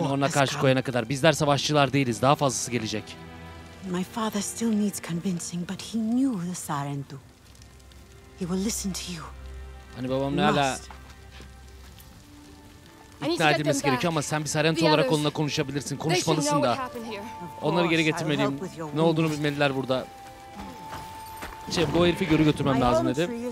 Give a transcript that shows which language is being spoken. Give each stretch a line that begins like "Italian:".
Turkish: Ona karşı koyana kadar bizler savaşçılar değiliz. Daha fazlası gelecek.
English: My father still needs convincing, but he knew the Sarentu. He will listen to you.
Turkish: Hani babam ne hala ikna edilmesi gerekiyor ama sen bir Sarentu olarak onunla konuşabilirsin. Konuşmalısın da. Onları geri getirmeliyim. Ne olduğunu bilmeliler burada. Şey, bu herifi geri götürmem lazım dedi.